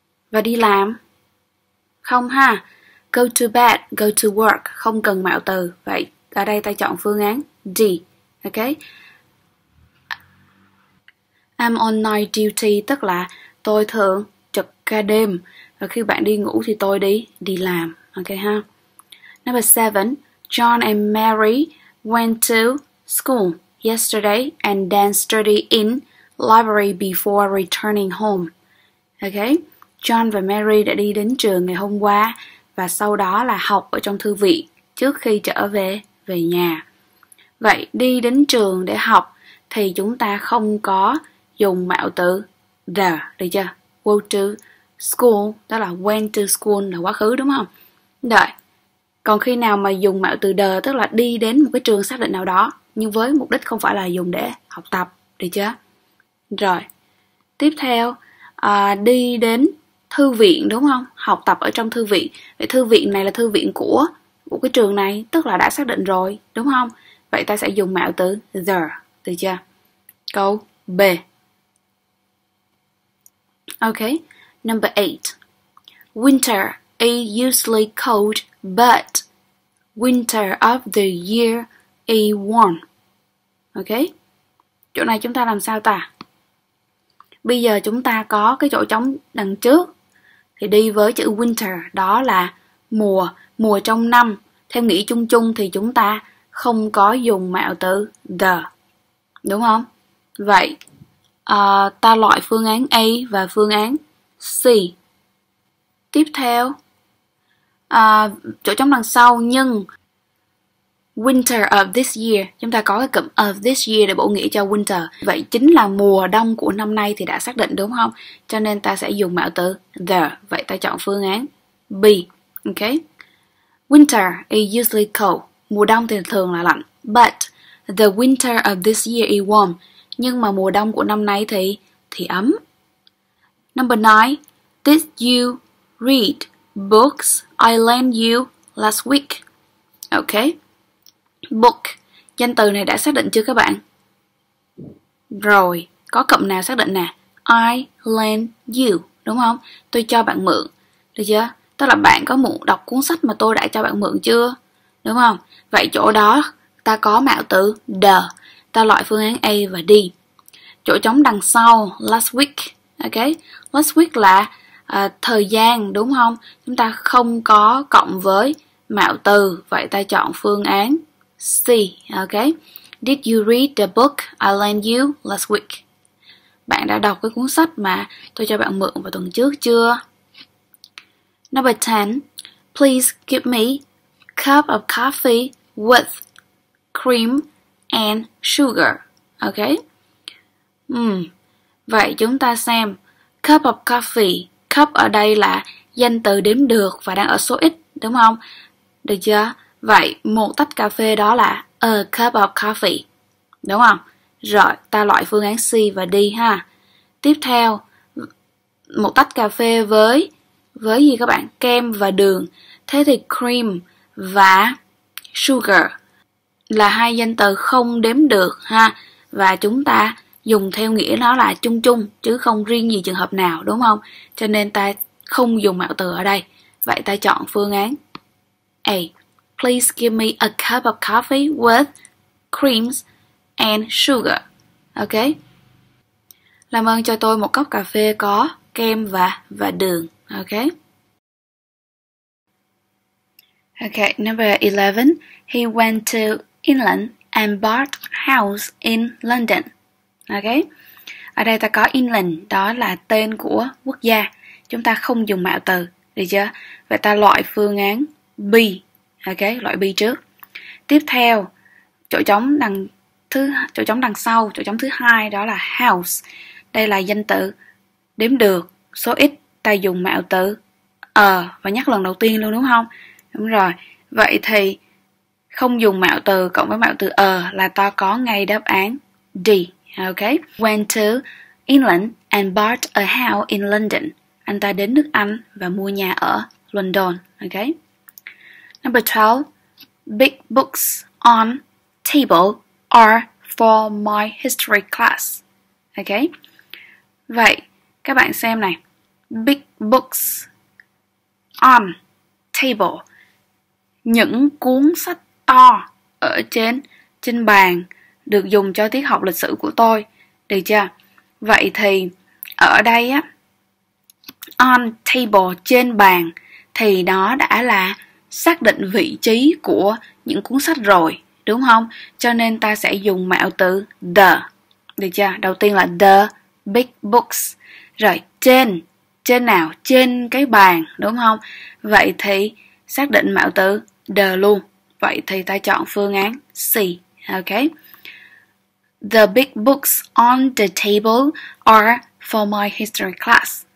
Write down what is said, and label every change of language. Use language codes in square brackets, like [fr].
[vi] Và đi làm? Không ha. [en] Go to bed, go to work. [vi] Không cần mạo từ. Vậy ở đây ta chọn phương án D. Ok. [en] I'm on night duty, [vi] tức là tôi thường trực ca đêm. Và khi bạn đi ngủ thì tôi đi làm. [en] Ok ha. Number 7. John and Mary went to school yesterday and then study in library before returning home. Okay? [vi] John và Mary đã đi đến trường ngày hôm qua và sau đó là học ở trong thư viện trước khi trở về nhà. Vậy đi đến trường để học thì chúng ta không có dùng mạo từ the, được chưa? [en] Go to school, [vi] đó là [en] went to school [vi] là quá khứ đúng không? Rồi. Còn khi nào mà dùng mạo từ the tức là đi đến một cái trường xác định nào đó nhưng với mục đích không phải là dùng để học tập, được chưa? Rồi. Tiếp theo, đi đến thư viện đúng không? Học tập ở trong thư viện. Vậy thư viện này là thư viện của một cái trường này, tức là đã xác định rồi, đúng không? Vậy ta sẽ dùng mạo từ the, được chưa? Câu B. [en] Okay, number 8. Winter is usually cold, but winter of the year is warm. Okay? [vi] Chỗ này chúng ta làm sao ta? Bây giờ chúng ta có cái chỗ trống đằng trước thì đi với chữ winter, đó là mùa, mùa trong năm. Theo nghĩa chung chung thì chúng ta không có dùng mạo từ the. Đúng không? Vậy ta loại phương án A và phương án C. Tiếp theo, chỗ trống đằng sau nhưng [en] winter of this year, [vi] chúng ta có cái cụm of this year để bổ nghĩa cho winter. Vậy chính là mùa đông của năm nay thì đã xác định đúng không? Cho nên ta sẽ dùng mạo từ the. Vậy ta chọn phương án B. Okay. [en] Winter is usually cold. [vi] Mùa đông thì thường là lạnh. [en] But the winter of this year is warm. [vi] Nhưng mà mùa đông của năm nay thì ấm. [en] Number 9. Did you read books I lent you last week? Okay. Book. [vi] Danh từ này đã xác định chưa các bạn? Rồi. Có cụm nào xác định nè? [en] I lent you. [vi] Đúng không? Tôi cho bạn mượn. Được chưa? Tức là bạn có mượn đọc cuốn sách mà tôi đã cho bạn mượn chưa? Đúng không? Vậy chỗ đó ta có mạo từ the. Ta loại phương án A và D. Chỗ trống đằng sau, last week. Okay. Last week là thời gian, đúng không? Chúng ta không có cộng với mạo từ. Vậy ta chọn phương án C. Okay. [en] Did you read the book I lent you last week? [vi] Bạn đã đọc cái cuốn sách mà tôi cho bạn mượn vào tuần trước chưa? [en] Number 10. Please give me a cup of coffee with cream and sugar. Okay. [vi] Vậy chúng ta xem [en] cup of coffee. [vi] Cup ở đây là danh từ đếm được và đang ở số ít, đúng không? Được chưa? Vậy một tách cà phê đó là [en] a cup of coffee, [vi] đúng không? Rồi, ta loại phương án C và D ha. Tiếp theo, một tách cà phê với gì các bạn? Kem và đường. Thế thì cream và sugar là hai danh từ không đếm được ha. Và chúng ta dùng theo nghĩa nó là chung chung chứ không riêng gì trường hợp nào, đúng không? Cho nên ta không dùng mạo từ ở đây. Vậy ta chọn phương án A. [en] Please give me a cup of coffee with creams and sugar. Ok. [vi] Làm ơn cho tôi một cốc cà phê có kem và đường. [en] Ok. Ok, number 11. He went to England and bought a house in London. Ok. [vi] Ở đây ta có England, đó là tên của quốc gia. Chúng ta không dùng mạo từ, được chưa? Vậy ta loại phương án B. Ok, loại B trước. Tiếp theo, chỗ trống thứ hai đó là house. Đây là danh từ đếm được, số ít, ta dùng mạo từ a và nhắc lần đầu tiên luôn đúng không? Đúng rồi. Vậy thì không dùng mạo từ cộng với mạo từ a là ta có ngay đáp án D. Ok. Went to England and bought a house in London. Anh ta đến nước Anh và mua nhà ở London. [en] Ok. Number 12. Big books on table are for my history class. Ok. [vi] Vậy, các bạn xem này. [en] Big books on table. [vi] Những cuốn sách to ở trên bàn được dùng cho tiết học lịch sử của tôi. Được chưa? Vậy thì ở đây á, [en] on table, [vi] trên bàn, thì nó đã là xác định vị trí của những cuốn sách rồi, đúng không? Cho nên ta sẽ dùng mạo từ the. Được chưa? Đầu tiên là [en] the big books. [vi] Rồi, trên. Trên nào? Trên cái bàn, đúng không? Vậy thì xác định mạo từ the luôn. Vậy thì ta chọn phương án C. [en] Ok. The big books on the table are for my history class.